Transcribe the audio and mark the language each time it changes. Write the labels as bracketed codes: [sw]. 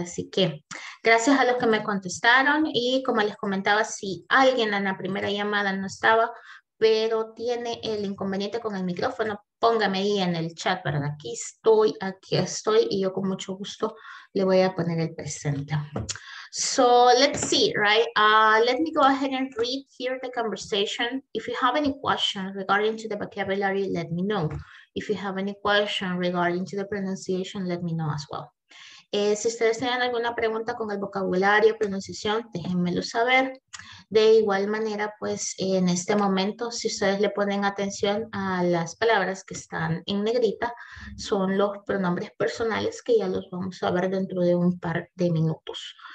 [es] Así que, gracias a los que me contestaron y como les comentaba, si alguien en la primera llamada no estaba, pero tiene el inconveniente con el micrófono, póngame ahí en el chat, ¿verdad? Aquí estoy y yo con mucho gusto le voy a poner el presente. [en] So, let's see, right? Let me go ahead and read here the conversation. If you have any questions regarding to the vocabulary, let me know. If you have any question regarding to the pronunciation, let me know as well. [es] Si ustedes tienen alguna pregunta con el vocabulario, pronunciación, déjenmelo saber. De igual manera, pues en este momento, si ustedes le ponen atención a las palabras que están en negrita, son los pronombres personales que ya los vamos a ver dentro de un par de minutos.